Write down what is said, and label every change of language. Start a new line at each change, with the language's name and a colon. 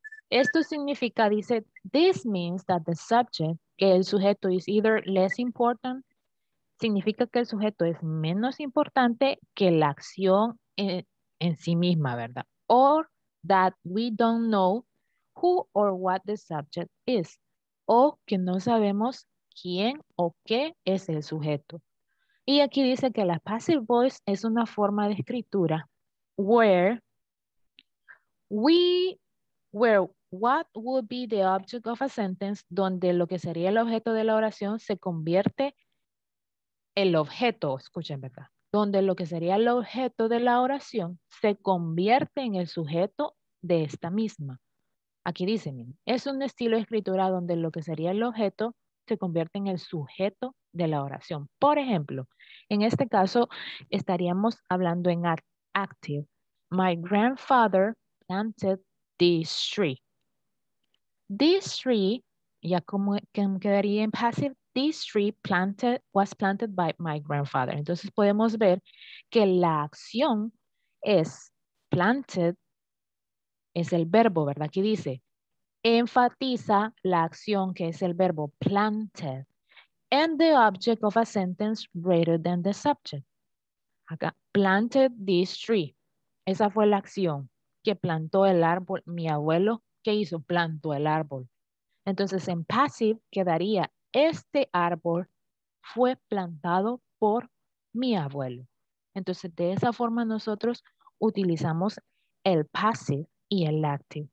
Spanish: Esto significa, dice,
English: this means that the subject,
Spanish: que el sujeto is either less important, significa que el sujeto es menos importante que la acción en sí misma, ¿verdad?
English: Or that we don't know who or what the subject is.
Spanish: O que no sabemos quién o qué es el sujeto. Y aquí dice que la passive voice es una forma de escritura
English: where what would be the object of a sentence,
Spanish: donde lo que sería el objeto de la oración se convierte el objeto, escuchen, ¿verdad? Donde lo que sería el objeto de la oración se convierte en el sujeto de esta misma. Aquí dice, es un estilo de escritura donde lo que sería el objeto se convierte en el sujeto de la oración. Por ejemplo, en este caso estaríamos hablando en active.
English: My grandfather planted this tree. This tree,
Spanish: ya como quedaría en passive,
English: this tree was planted by my grandfather.
Spanish: Entonces podemos ver que la acción es planted, es el verbo, ¿verdad? Aquí dice, enfatiza la acción que es el verbo planted.
English: And the object of a sentence greater than the subject. Acá, planted this tree.
Spanish: Esa fue la acción que plantó el árbol. Mi abuelo, ¿qué hizo? Plantó el árbol. Entonces, en passive quedaría, este árbol fue plantado por mi abuelo. Entonces, de esa forma nosotros utilizamos el passive y el active.